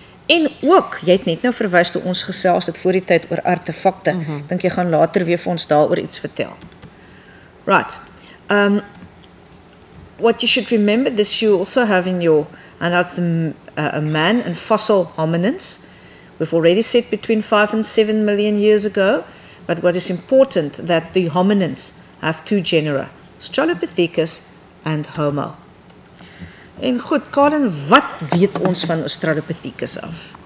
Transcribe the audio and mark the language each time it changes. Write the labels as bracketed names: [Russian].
[Afrikaans] En ook, jy het net nou verwys toe ons gesels het voor die tyd oor artefakte. Dink jy gaan later weer vir ons daaroor iets vertel. [English] Right. What you should remember, this you also have in your, and that's the a man and fossil hominins. We've already said between 5 and 7 million years ago, but what is important that the hominins have two genera, Australopithecus and Homo. [Afrikaans] En goed, Karen, wat weet ons van Australopithecus af?